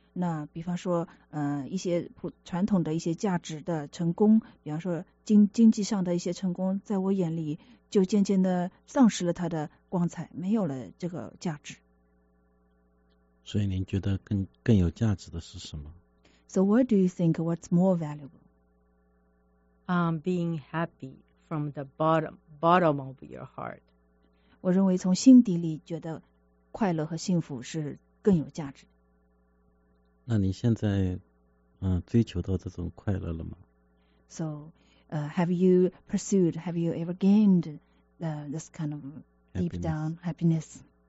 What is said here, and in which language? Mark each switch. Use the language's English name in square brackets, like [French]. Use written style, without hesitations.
[Chinese] 那比方说，一些传统的一些价值的成功，比方说经济上的一些成功，在我眼里就渐渐的丧失了它的光彩，没有了这个价值。所以您觉得更有价值的是什么 [English] ？So what do you think? What's more valuable? Being happy from the bottom of your heart. [Chinese] 我认为从心底里觉得快乐和幸福是更有价值。那你现在追求到这种快乐了吗 [English] ？So, have you pursued? Have you ever gained this kind of deep down happiness?